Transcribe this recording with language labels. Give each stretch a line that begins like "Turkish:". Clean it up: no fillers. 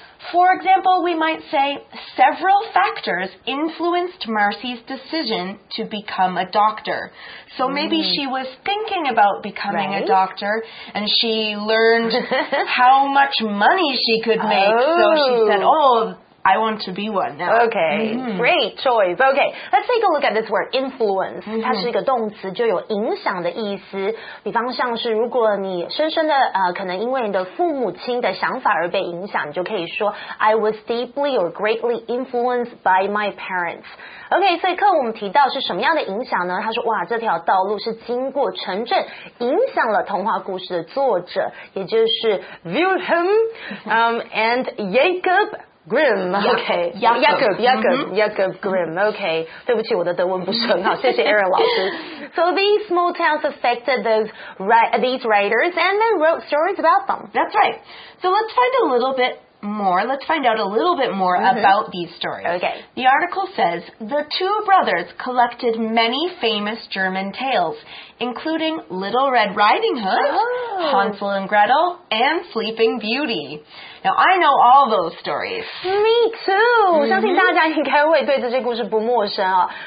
English: For example, we might say, several factors influenced Marcy's decision to become a doctor. So maybe she was thinking about becoming a doctor, and she learned how much money she could make. So she said, I want to be one now. Okay, great choice. Okay, let's take a look at this word, influence.
Chinese: 它是一个动词，就有影响的意思。比方像是如果你深深的可能因为你的父母亲的想法而被影响，你就可以说
English: I was deeply or greatly influenced by my parents.
Chinese: Okay, 所以课我们提到是什么样的影响呢？他说哇，这条道路是经过城镇，影响了童话故事的作者，也就是 Wilhelm and Jacob.
English: Grim, okay. Jakob Grim, okay.
Chinese: 对不起，我的德文不是很好，谢谢 Aaron 老师。
English: So these small towns affected these writers and then wrote stories about them. That's right. So let's find a little bit more. Let's find out a little bit more about these stories. Okay. The article says, the two brothers collected many famous German tales, including Little Red Riding Hood, Hansel and Gretel, and Sleeping Beauty. Now, I know all those stories. Me too.
Chinese: 相信大家应该会对这些故事不陌生哦。